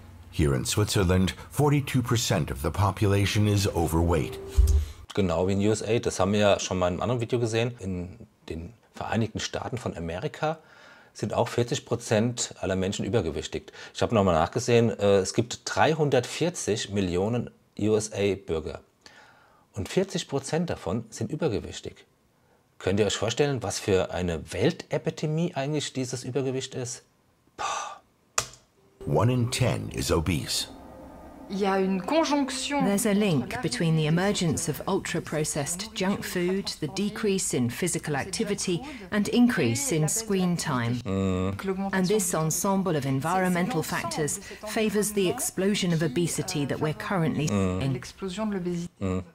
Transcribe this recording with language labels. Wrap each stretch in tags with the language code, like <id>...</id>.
<en>Here in Switzerland, 42% of the population is overweight.</en> <de>Genau wie in USA. Das haben wir ja schon mal in einem anderen Video gesehen. In den Vereinigten Staaten von Amerika sind auch 40% aller Menschen übergewichtig. Ich habe nochmal nachgesehen, es gibt 340 Millionen USA-Bürger. Und 40% davon sind übergewichtig. Könnt ihr euch vorstellen, was für eine Weltepidemie eigentlich dieses Übergewicht ist? Boah.</de> <en>One in 10 is obese. There's a link between the emergence of ultra-processed junk food, the decrease in physical activity, and increase in screen time. And this ensemble of environmental factors favors the explosion of obesity that we're currently seeing.</en>